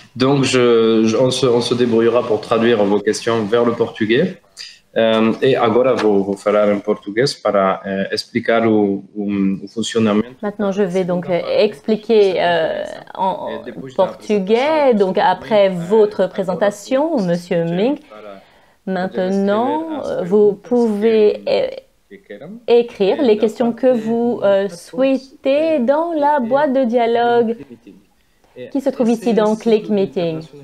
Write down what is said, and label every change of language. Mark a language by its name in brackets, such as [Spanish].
[French] Donc, on se débrouillera pour traduire vos questions vers le portugais. [Portuguese] Et agora vou falar em português para explicar o funcionamento. [French] Maintenant, je vais donc expliquer en portugais, donc après votre présentation, Monsieur Ming. Maintenant, vous pouvez écrire les questions que vous souhaitez dans la boîte de dialogue qui se trouve ici dans Click Meeting.